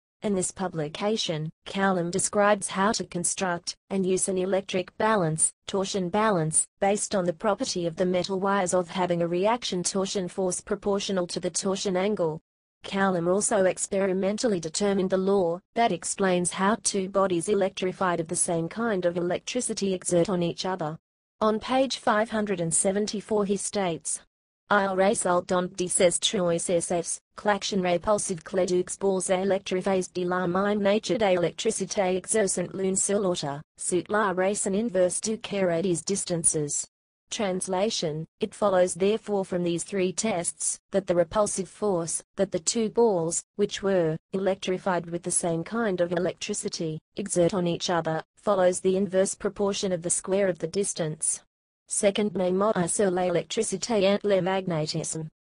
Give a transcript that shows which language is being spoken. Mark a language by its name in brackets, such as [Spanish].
[English] In this publication, Coulomb describes how to construct and use an electric balance, torsion balance, based on the property of the metal wires of having a reaction torsion force proportional to the torsion angle. Coulomb also experimentally determined the law that explains how two bodies electrified of the same kind of electricity exert on each other. On page 574 he states: [French] Il résultant de ces trois essais, que l'action répulsive que les deux balles électrifiées de la même nature d'électricité exercent l'une sur l'autre, suit la raison inverse du carré des distances. [English] Translation: it follows therefore from these three tests, that the repulsive force, that the two balls, which were electrified with the same kind of electricity, exert on each other, follows the inverse proportion of the square of the distance. [French] Second mémoire sur l'électricité et le magnétisme.